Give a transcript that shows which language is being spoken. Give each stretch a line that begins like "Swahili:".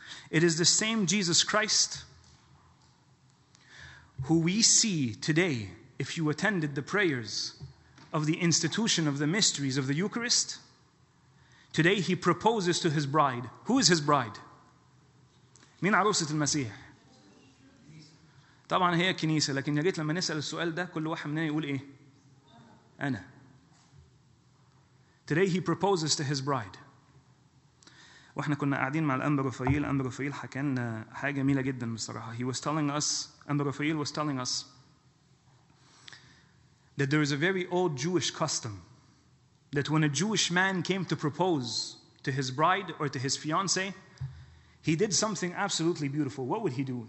English: It is the same Jesus Christ who we see today, if you attended the prayers of the institution of the mysteries of the Eucharist, today he proposes to his bride. Who is his bride?
Arabic: مين عروسة المسيح؟ طبعا هي كنيسة، لكن ياريت لما نسأل السؤال ده كل واحد مننا يقول ايه؟ أنا.
English: Today he proposes to his bride.
Arabic: واحنا كنا قاعدين مع الأنبا رفائيل، الأنبا رفائيل حكى لنا حاجة جميلة جدا بصراحة.
English: الأنبا رفائيل was telling us that there is a very old Jewish custom that when a Jewish man came to propose to his bride or to his fiance, he did something absolutely beautiful. What would he do?